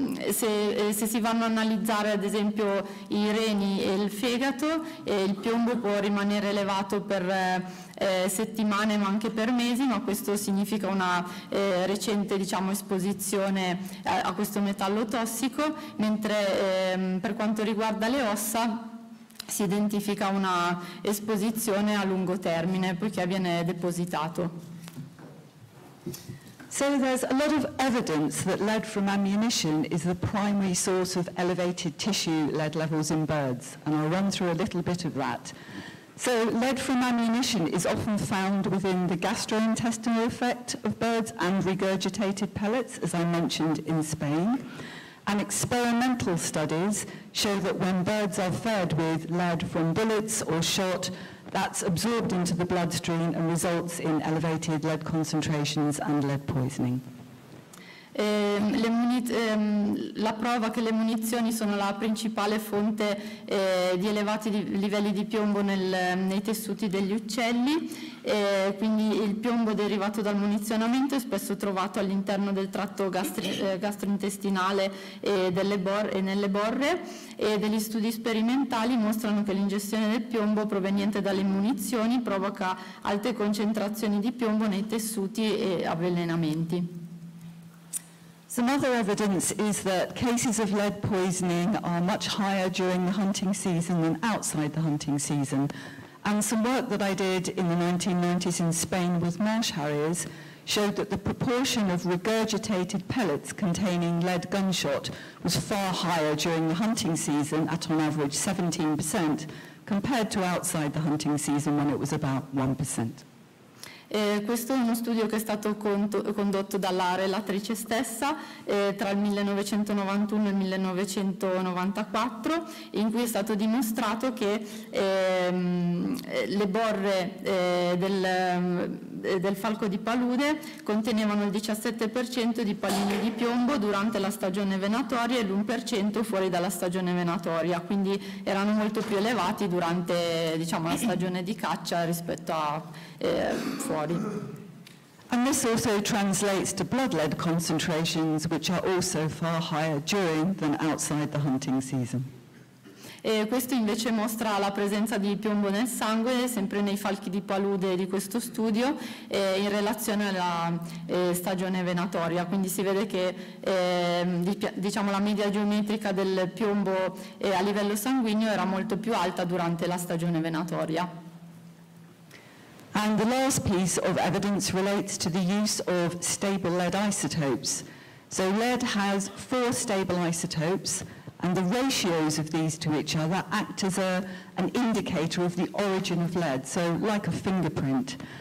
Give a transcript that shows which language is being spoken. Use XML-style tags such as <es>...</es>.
<it>Se si vanno a analizzare ad esempio i reni e il fegato, il piombo può rimanere elevato per settimane ma anche per mesi, ma questo significa una recente, diciamo, esposizione a questo metallo tossico, mentre per quanto riguarda le ossa si identifica una esposizione a lungo termine poiché viene depositato.</it> <en>So there's a lot of evidence that lead from ammunition is the primary source of elevated tissue lead levels in birds, and I'll run through a little bit of that. So lead from ammunition is often found within the gastrointestinal effect of birds and regurgitated pellets, as I mentioned, in Spain. And experimental studies show that when birds are fed with lead from bullets or shot, that's absorbed into the bloodstream and results in elevated lead concentrations and lead poisoning.</en> <it>La prova che le munizioni sono la principale fonte di elevati livelli di piombo nei tessuti degli uccelli, quindi il piombo derivato dal munizionamento è spesso trovato all'interno del tratto gastrointestinale e nelle borre, e degli studi sperimentali mostrano che l'ingestione del piombo proveniente dalle munizioni provoca alte concentrazioni di piombo nei tessuti e avvelenamenti.</it> <en>Some other evidence is that cases of lead poisoning are much higher during the hunting season than outside the hunting season. And some work that I did in the 1990s in Spain with marsh harriers showed that the proportion of regurgitated pellets containing lead gunshot was far higher during the hunting season, at on average 17%, compared to outside the hunting season when it was about 1%.</en> <it>Questo è uno studio che è stato condotto dalla relatrice stessa tra il 1991 e il 1994, in cui è stato dimostrato che le borre del del falco di palude contenevano il 17% di palline di piombo durante la stagione venatoria e l'1% fuori dalla stagione venatoria, quindi erano molto più elevati durante, diciamo, la stagione di caccia rispetto a fuori.</it> <en>And this also translates to blood lead concentrations, which are also far higher during than outside the hunting season.</en> <it>E questo invece mostra la presenza di piombo nel sangue, sempre nei falchi di palude di questo studio, in relazione alla stagione venatoria. Quindi si vede che diciamo la media geometrica del piombo a livello sanguigno era molto più alta durante la stagione venatoria.</it> <en>And the last piece of evidence relates to the use of stable lead isotopes. So lead has four stable isotopes, and the ratios of these to each other act as an indicator of the origin of lead, so like a fingerprint.</en>